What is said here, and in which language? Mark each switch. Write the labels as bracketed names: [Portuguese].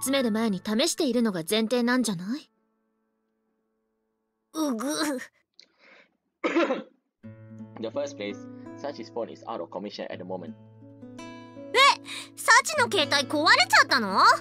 [Japanese] 変なことというより、その案はみんなを集める前に試しているのが前提なんじゃない? うぐ… [English] In the first place, Sachi's phone is out of commission at the moment. [Japanese] え? サチの携帯壊れちゃったの?